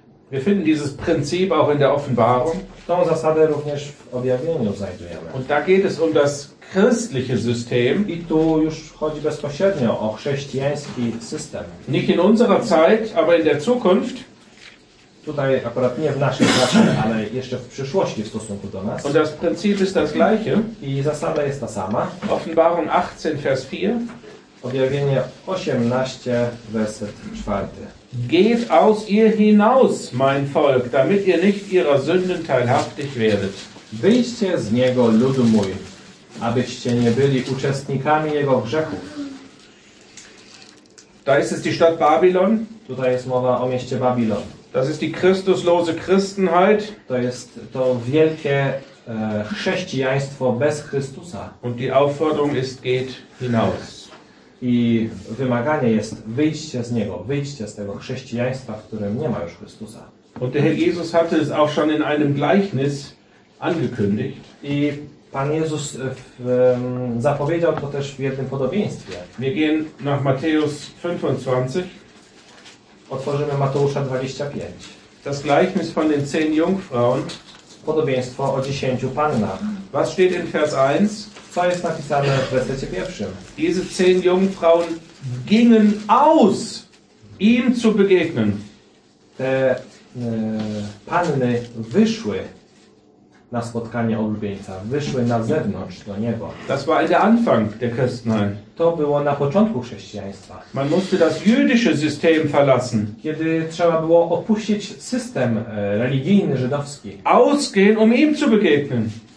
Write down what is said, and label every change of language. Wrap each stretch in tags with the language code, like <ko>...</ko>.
<de>Wir finden dieses Prinzip auch in der Offenbarung.</de> <pl>Tą zasadę również w objawieniu znajdujemy.</pl> <de>Und da geht es um das christliche System.</de> <pl>I tu już chodzi bezpośrednio o chrześcijański system.</pl> <de>Nicht in unserer Zeit, aber in der Zukunft.</de> <pl>Tutaj akurat nie w naszych czasach, ale jeszcze w przyszłości w stosunku do nas.</pl> <de>Und das Prinzip ist das gleiche.</de> <pl>I zasada jest ta sama.</pl> <de>Offenbarung 18, Vers 4.</de> <pl>Objawienie 18, werset 4.</pl> <de>Geht aus ihr hinaus, mein Volk, damit ihr nicht ihrer Sünden teilhaftig werdet.</de> <pl>Wyjdźcie z niego, ludu mój, abyście nie byli uczestnikami jego grzechów.</pl> <de>Da ist es die Stadt Babylon.</de> <pl>Tutaj jest mowa o mieście Babylon.</pl> <de>Das ist die christuslose Christenheit.</de> <pl>To jest to wielkie chrześcijaństwo bez Chrystusa.</pl> <de>Und die Aufforderung ist, geht hinaus.</de> <pl>I wymaganie jest wyjście z niego, wyjście z tego chrześcijaństwa, w którym nie ma już Chrystusa.</pl> <de>Und der Herr Jesus hatte es auch schon in einem Gleichnis angekündigt.</de> <pl>I Pan Jezus zapowiedział to też w jednym podobieństwie.</pl> <de>Wir gehen nach Matthäus 25.</de> <pl>Otworzymy Mateusza 25.</pl> <de>Das Gleichnis von den 10 Jungfrauen.</de> <pl>Podobieństwo o 10 pannach.</pl> <de>Was steht in Vers 1?</de> <pl>Co jest napisane w wersecie pierwszym?</pl> <de>Diese 10 Jungfrauen gingen aus, ihm zu begegnen.</de> <pl>Te panny wyszły na spotkanie oblubieńca, wyszły na zewnątrz do niego.</pl> <de>Das war der Anfang der Christenheit.</de> <pl>To było na początku chrześcijaństwa.</pl> <de>Man musste das jüdische System verlassen.</de> <pl>Kiedy trzeba było opuścić system religijny żydowski.</pl> <de>Ausgehen, um ihm zu begegnen.</de>